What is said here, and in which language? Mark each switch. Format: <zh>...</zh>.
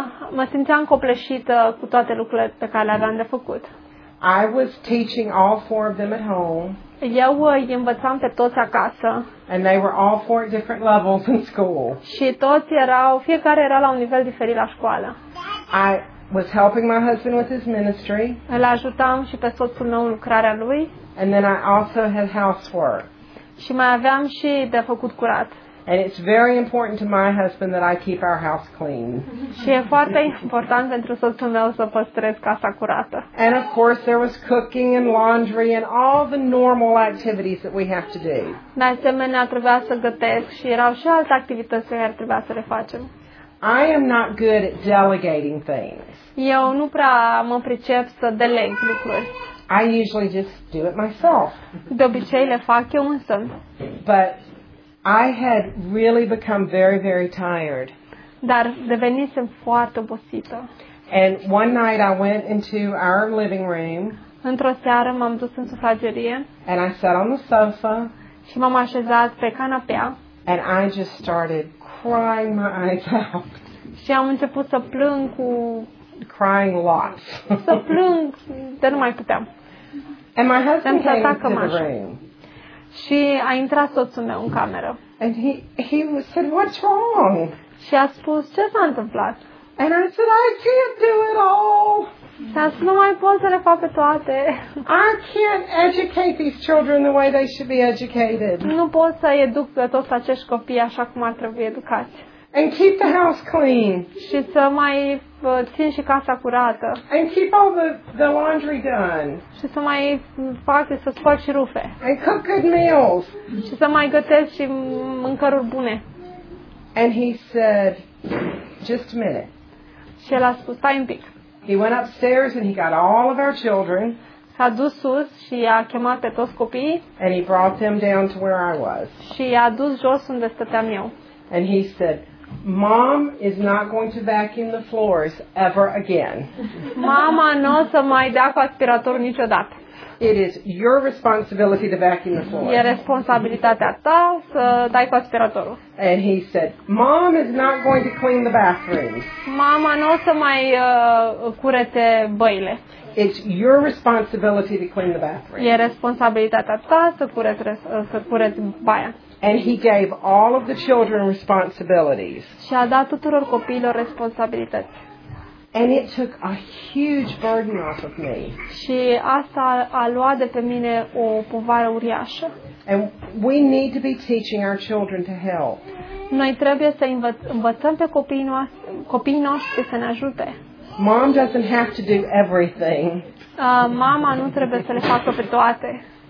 <ro>Mă simțeam copleșită cu toate lucrurile pe care le aveam de făcut.</ro> <en>I was teaching all four of them at home.</en> <ro>Eu îi învățam pe toți acasă.</ro> <en>And they were all four at different levels in school.</en> <ro>Și toți erau, fiecare era la un nivel diferit la școală.</ro> <en>I was helping my husband with his ministry.</en> <ro>Îl ajutam și pe soțul meu în lucrarea lui.</ro> <en>And then I also had housework.</en> <ro>Și mai aveam și de făcut curat.</ro> <en>And it's very important to my husband that I keep our house clean.</en> <ro>Și e foarte important pentru soțul meu să păstrez casa curată.</ro> <en>And of course there was cooking and laundry and all the normal activities that we have to do.</en> <ro>De asemenea, trebuia să gătesc și erau și alte activități care trebuia să le facem.</ro> <en>I am not good at delegating things.</en> <ro>Eu nu prea mă pricep să deleg lucruri.</ro> <en>I usually just do it myself.</en> <ro>De obicei le fac eu însumi.</ro> <en>But I had really become very, very tired.</en> <ro>Dar devenisem foarte obosită.</ro> <en>And one night I went into our living room.</en> <ro>Într-o seară m-am dus în sufragerie.</ro> <en>And I sat on the sofa.</en> <ro>Și m-am așezat pe canapea.</ro> <en>And I just started crying my eyes out.</en> <ro>Și am început să plâng cu...</ro> <en>Crying lots.</en> <ro>Să plâng, dar nu mai puteam.</ro> <en>And my husband came into the room.</en> <ro>Și a intrat soțul meu în cameră.</ro> <en>And he said, "What's wrong?"</en> <ro>Și a spus, "Ce s-a întâmplat?"</ro> <en>And I said, "I can't do it all."</en> <ro>Și a spus, "Nu mai pot să le fac pe toate."</ro> <en>I can't educate these children the way they should be educated.</en> <ro>Nu pot să educ pe toți acești copii așa cum ar trebui educați.</ro> <en>And keep the house clean.</en> <ro>Și să mai țin și casa curată.</ro> <en>And keep all the laundry done.</en> <ro>Și să mai fac și să spăl și rufe.</ro> <en>And cook good meals.</en> <ro>Și să mai gătesc și mâncăruri bune.</ro> <en>And he said, "Just a minute."</en> <ro>Și el a spus, "Stai un pic."</ro> <en>He went upstairs and he got all of our children.</en> <ro>S-a dus sus și a chemat pe toți copiii.</ro> <en>And he brought them down to where I was.</en> <ro>Și i-a dus jos unde stăteam eu.</ro> <en>And he said, "Mom is not going to vacuum the floors ever again."</en> <ro>Mama n-o să mai dea cu aspirator niciodată.</ro> <en>It is your responsibility to vacuum the floors.</en> <ro>E responsabilitatea ta să dai cu aspiratorul.</ro> <en>And he said, "Mom is not going to clean the bathrooms."</en> <ro>Mama n-o să mai curete băile.</ro> <en>It's your responsibility to clean the bathroom.</en> <ro>E responsabilitatea ta să cureți baia.</ro> <en>And he gave all of the children responsibilities.</en> <ro>Și a dat tuturor copiilor responsabilități.</ro> <en>And it took a huge burden off of me.</en> <ro>Și asta a luat de pe mine o povară uriașă.</ro> <en>And we need to be teaching our children to help.</en> <ro>Noi trebuie să învățăm pe copiii noștri să ne ajute.</ro> <en>Mom doesn't have to do everything.</en> <ro>Mama nu trebuie să le facă pe toate.</ro>